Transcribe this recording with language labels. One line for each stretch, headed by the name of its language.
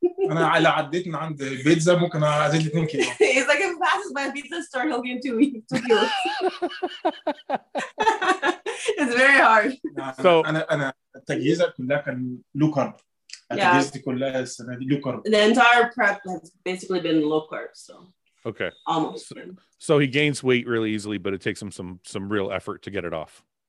Arabic: أنا على عديت من عند بيتزا ممكن أزيد 2 كيلو.
English: He's like if he passes by a pizza store, he'll gain 2 kilos. It's very hard. So
Arabic: أنا التجهيز كله كان low carb. التجهيز كله السنة دي low carb.
English: The entire prep has basically been low carb. So. Okay. Almost. So he gains weight really easily, but it takes him some real effort to get it off.